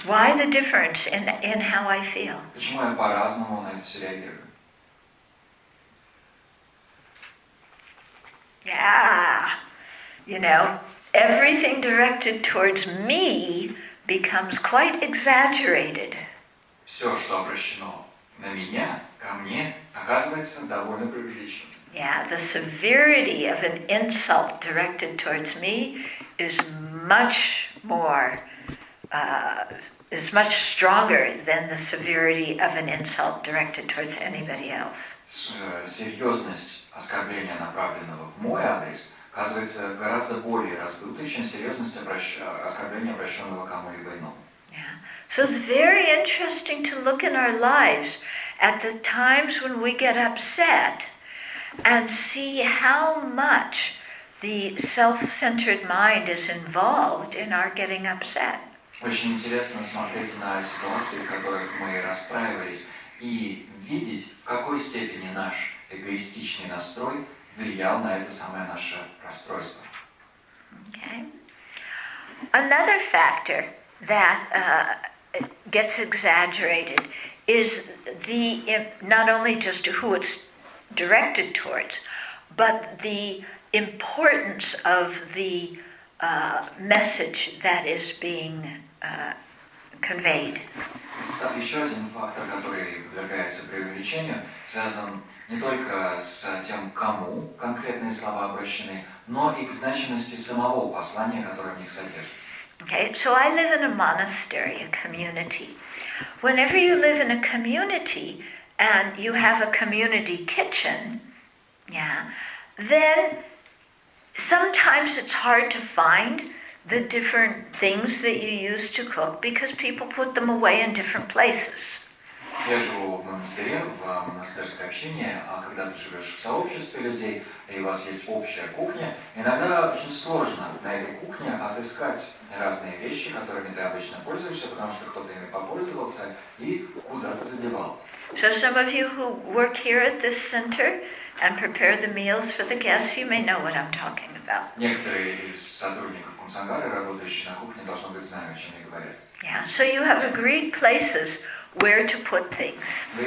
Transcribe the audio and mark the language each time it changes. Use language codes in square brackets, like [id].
[en] Why the difference in how I feel? [ru] Почему я по-разному на это реагирую? [en] Yeah, you know, everything directed towards me becomes quite exaggerated. [ru] Всё, что обращено на меня, ко мне, оказывается довольно преувеличенным. [en] Yeah, the severity of an insult directed towards me is much more, is much stronger than the severity of an insult directed towards anybody else. [ru] Серьёзность оскорбления, направленного в мой адрес, оказывается гораздо более раздутой, чем серьёзность оскорбления, обращённого кому-либо иному. [en] Yeah. So it's very interesting to look in our lives at the times when we get upset and see how much the self-centered mind is involved in our getting upset. [ru] Очень интересно смотреть на ситуации, в которых мы расстраивались, и видеть, в какой степени наш эгоистичный настрой влиял на это самое наше расстройство. [en] Okay. Another factor that gets exaggerated is the not only just who it's directed towards, but the importance of the message that is being conveyed. [ru] Еще один фактор, который подвергается преувеличению, связан не только с тем, кому конкретные слова обращены, но и к значимости самого послания, которое в них содержится. [en] Okay, so I live in a monastery, a community. Whenever you live in a community and you have a community kitchen, yeah, then sometimes it's hard to find the different things that you use to cook because people put them away in different places. [ru] Я живу в монастыре, в монастырское общение, а когда ты живешь в сообществе людей, и у вас есть общая кухня, иногда очень сложно на этой кухне отыскать разные вещи, которыми ты обычно пользуешься, потому что кто-то ими попользовался и куда-то задевал. [en] So some of you who work here at this center and prepare the meals for the guests, you may know what I'm talking about. [ru] Некоторые из сотрудников Кунсангары, работающие на кухне, должно быть, знают, о чем я говорю. [en] Yeah, so you have agreed places where to put things.